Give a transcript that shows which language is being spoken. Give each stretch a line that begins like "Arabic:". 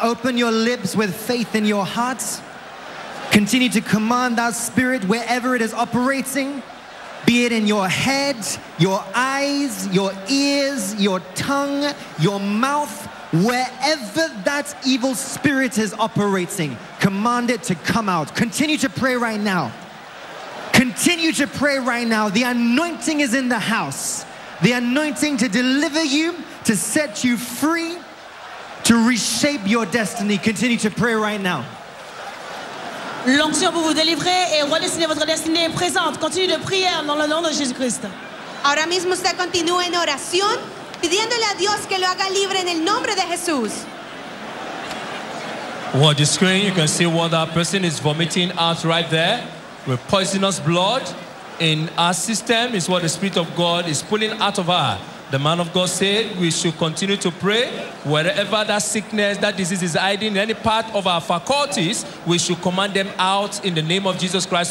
English: Open your lips with faith in your heart. Continue to command that spirit wherever it is operating, be it in your head, your eyes, your ears, your tongue, your mouth, wherever that evil spirit is operating, command it to come out. Continue to pray right now. Continue to pray right now. The anointing is in the house. The anointing to deliver you, to set you free, to reshape your destiny. Continue to pray right now.
French: L'onction pour vous délivrer et redessiner votre destinée est présente. Continue de prier dans le nom de Jésus Christ.
Spanish: Ahora mismo usted continúa en oración, pidiéndole a Dios que lo haga libre en el nombre de Jesús.
English: Watch the screen. You can see what that person is vomiting out right there. With poisonous blood in our system is what the Spirit of God is pulling out of her. The man of God said we should continue to pray. Wherever that sickness, that disease is hiding in any part of our faculties, we should command them out in the name of Jesus Christ.